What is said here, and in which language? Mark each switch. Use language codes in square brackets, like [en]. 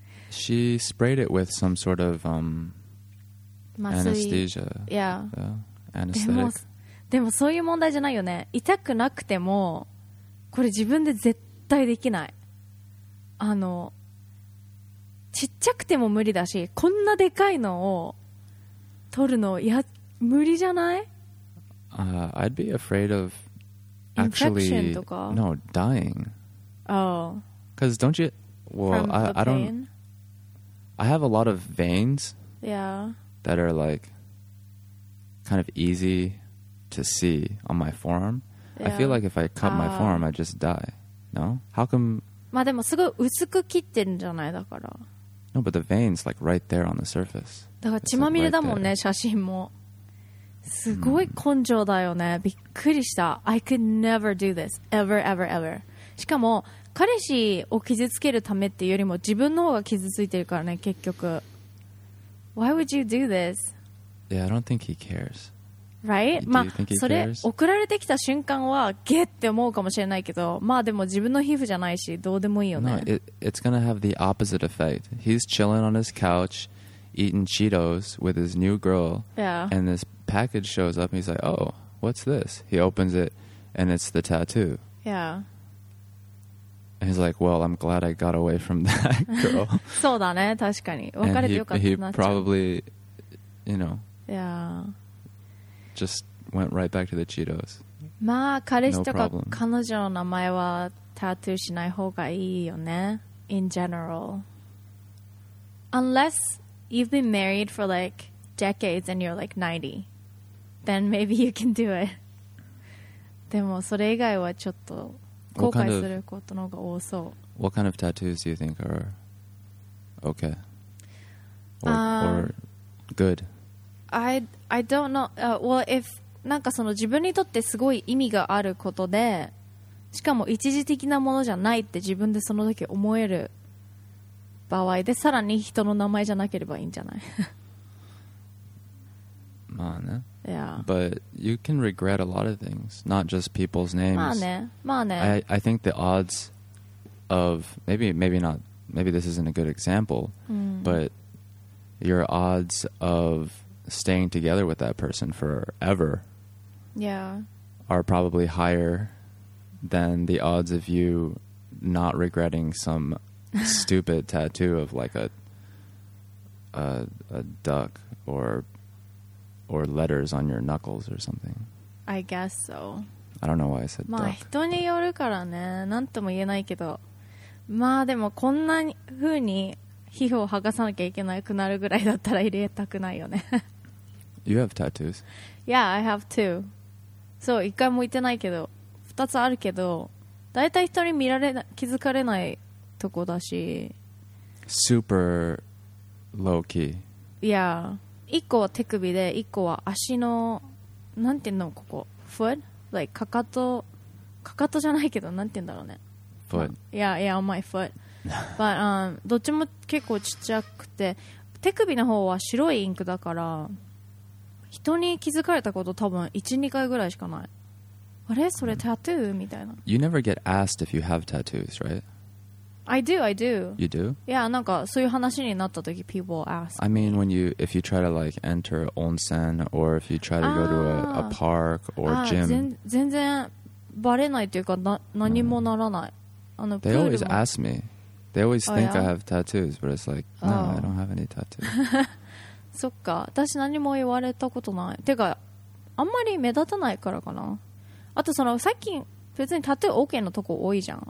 [en] She sprayed it with some sort of, anesthesia. Yeah. Anesthetic. [ja] でもそういう問題じゃないよね。痛くなくても、これ自分で絶対できない。ちっちゃくても無理だし、こんなでかいのを取るの、いや、無理じゃない？ [en] I'd be afraid of... Actually, no, dying. Oh. Because don't you... Well, I don't... I have a lot of veins. Yeah. That are like kind of easy to see on my forearm. Yeah. I feel like if I cut my forearm, I'd just die. No? How come... [ja] まあでもすごい薄く切ってんじゃないだから。 [en] No, but the veins like right there on the surface. [ja] だから血まみれだもんね、写真も。すごい根性だよね、びっくりした。 [en] I could never do this ever ever ever。 [ja] しかも彼氏を傷つけるためっていうよりも自分の方が傷ついてるからね、結局。 [en] Why would you do this? Yeah, I don't think he cares. Right? [ja] まあそれ送られてきた瞬間はゲッって思うかもしれないけど、まあでも自分の皮膚じゃないしどうでもいいよね。 [en] No, it's gonna have the opposite effect. He's chilling on his coucheating Cheetos with his new girl, yeah. And this package shows up, and he's like, oh, what's this? He opens it, and it's the tattoo. Yeah. And he's like, well, I'm glad I got away from that girl. [ja] そうだね、確かに。別れてよかったなっちゃう。 [en] He probably, you know, yeah. Just went right back to the Cheetos. [ja] まあ、彼氏とか彼女の名前はタトゥーしない方がいいよね、 [en] in general. Unless... You've been married for like decades and you're like 90. Then maybe you can do it. [ja] でもそれ以外はちょっと後悔することの方が多そう。 [en] What kind of tattoos do you think are okay? Or good? I don't know、well, if [ja] なんかその自分にとってすごい意味があることでしかも一時的なものじゃないって自分でその時思える場合でさらに人の名前じゃなければいいんじゃないまあね、 [en] yeah. But you can regret a lot of things, not just people's names. [ja] まあね、まあね、 [en] I think the odds of maybe this isn't a good example、 [ja] うん、 [en] but your odds of staying together with that person forever、 yeah. are probably higherthan the odds of you not regretting some stupid tattoo of like a duck or letters on your knuckles or something. I guess so. I don't know why I said [ja] まあ [en] duck. [ja] 人によるからね、なんとも言えないけど、まあでもこんな風に皮膚を剥がさなきゃいけなくなるぐらいだったら入れたくないよね。 [en] You have tattoos? Yeah, I have two. [ja] そう、一回も言ってないけど。2つあるけど、だいたい人に見られ気づかれないとこだし、 [en] super low key。 [ja] いや、一個は手首で、一個は足のなんていうのここ、foot、like かかとじゃないけどなんていうんだろうね、 [en] foot。 [ja] いやいや、 [en] my foot。 [ja] But どっちも結構ちっちゃくて、手首の方は白いインクだから、人に気づかれたこと多分1、2回ぐらいしかない。あれ？それタトゥーみたいな。 [en] You never get asked if you have tattoos, right? I do. You do? [ja] Yeah, なんかそういう話になった時 [en] people ask. I mean, if you try to like enter onsen or if you try to go to a park or gym. [ja] 全然バレないというか何もならない。 [en] They always ask me. They always think、yeah? I have tattoos, but it's like, no,、oh. I don't have any tattoos. [ja] そっか。私何も言われたことない。てか、あんまり目立たないからかな。あとその最近別にタトゥー OK のとこ多いじゃん。